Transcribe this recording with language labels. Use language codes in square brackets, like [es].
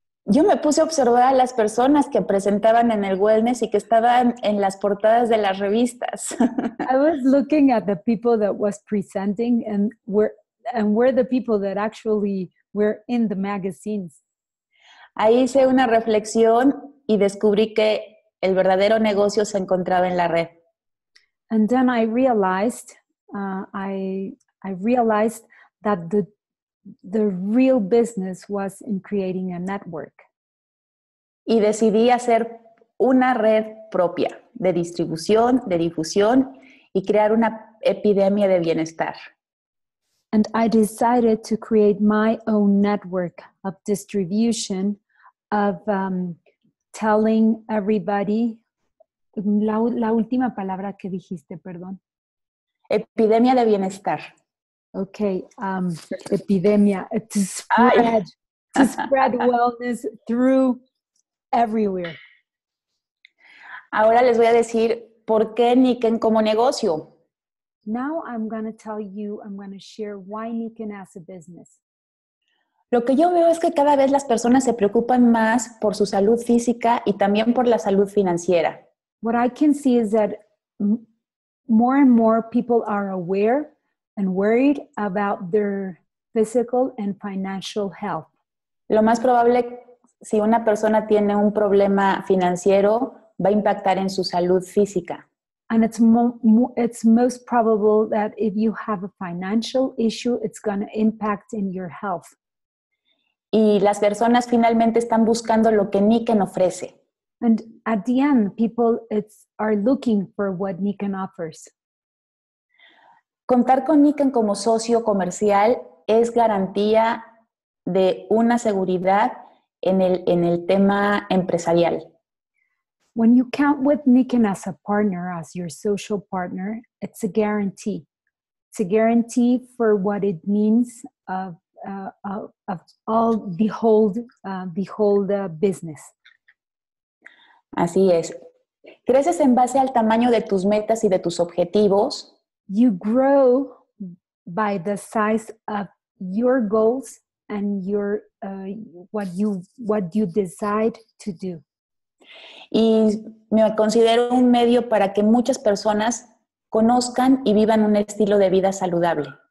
[es] Yo me puse a observar a las personas que presentaban en el wellness y que estaban en las portadas de las revistas. [en] I was looking at the people that was presenting and were the people that actually were in the magazines. [es] Ahí hice una reflexión y descubrí que el verdadero negocio se encontraba en la red. [en] And then I realized I realized that the real business was in creating a network. [es] Y decidí hacer una red propia, de distribución, de difusión y crear una epidemia de bienestar. [en] And I decided to create my own network of distribution, of telling everybody. [es] La última palabra que dijiste, perdón. Epidemia de bienestar. [en] Okay, epidemia. To spread wellness through everywhere. [es] Ahora les voy a decir por qué Niken como negocio. [en] Now I'm going to tell you, I'm going to share why Niken as a business. [es] Lo que yo veo es que cada vez las personas se preocupan más por su salud física y también por la salud financiera. [en] What I can see is that more and more people are aware and worried about their physical and financial health. [es] Lo más probable, si una persona tiene un problema financiero, va a impactar en su salud física. [en] And it's most probable that if you have a financial issue, it's going to impact in your health. [es] Y las personas finalmente están buscando lo que Niken ofrece. [en] And at the end, people are looking for what Niken offers. [es] Contar con Niken como socio comercial es garantía de una seguridad en el tema empresarial. [en] When you count with Niken as a partner, as your social partner, it's a guarantee. It's a guarantee for what it means of the whole business. [es] Así es. Creces en base al tamaño de tus metas y de tus objetivos. [en] You grow by the size of your goals and what you decide to do. [es] Y me considero un medio para que muchas personas conozcan y vivan un estilo de vida saludable.